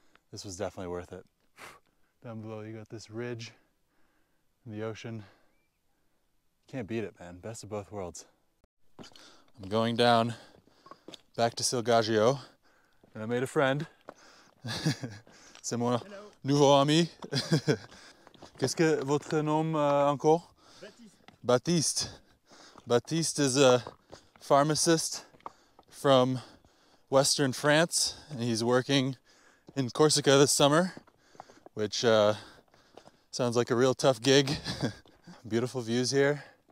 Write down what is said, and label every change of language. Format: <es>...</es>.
<en>This was definitely worth it. Down below you got this ridge and the ocean. Can't beat it, man. Best of both worlds. I'm going down back to Silgaggio, and I made a friend.</en> <fr>C'est mon nouveau ami. Qu'est-ce que votre nom encore? Baptiste.</fr> <en>Baptiste is a pharmacist from Western France, and he's working in Corsica this summer, which sounds like a real tough gig. Beautiful views here.</en>